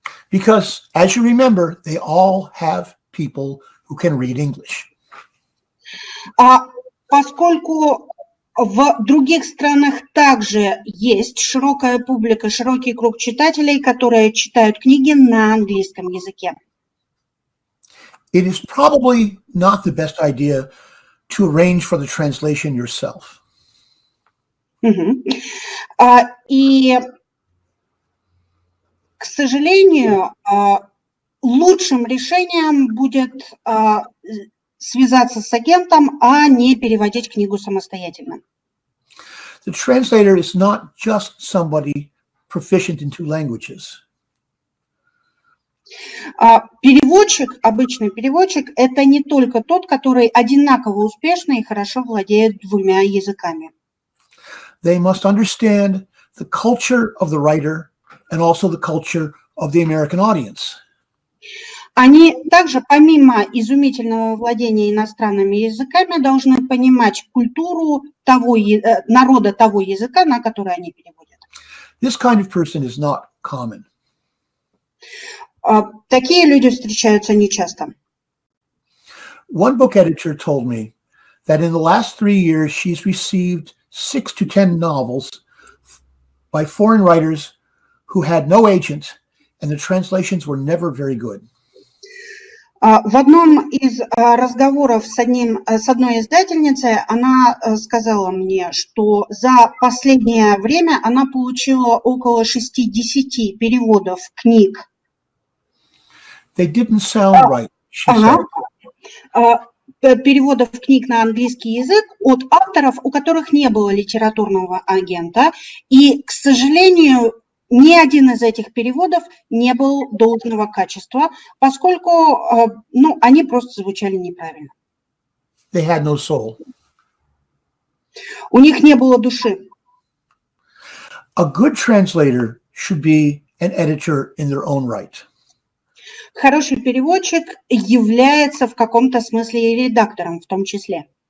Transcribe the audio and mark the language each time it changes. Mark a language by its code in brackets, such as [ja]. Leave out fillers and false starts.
[en] Because, as you remember, they all have people who can read English. [ru] Поскольку в других странах также есть широкая публика, широкий круг читателей, которые читают книги на английском языке. [en] It is probably not the best idea to arrange for the translation yourself. [ru] И, к сожалению, лучшим решением будет связаться с агентом, а не переводить книгу самостоятельно. [en] The translator is not just somebody proficient in two languages. [ru] Переводчик, обычный переводчик, это не только тот, который одинаково успешно и хорошо владеет двумя языками. [en] They must understand the culture of the writer and also the culture of the American audience. [ru] Они также, помимо изумительного владения иностранными языками, должны понимать культуру того народа того языка, на который они переводят. [en] This kind of person is not common. [ru] Такие люди встречаются нечасто. [en] One book editor told me that in the last 3 years she's received 6 to 10 novels by foreign writers who had no agent, and the translations were never very good. [ru] В одном из разговоров с одной издательницей она сказала мне, что за последнее время она получила около 60 переводов книг. [en] They didn't sound right, she said. [ru] Переводов книг на английский язык от авторов, у которых не было литературного агента. И, к сожалению, ни один из этих переводов не был должного качества, поскольку, они просто звучали неправильно. [en] They had no soul. [ru] У них не было души. [en] A good translator should be an editor in their own right. [ru] Хороший переводчик является в каком-то смысле и редактором в том числе.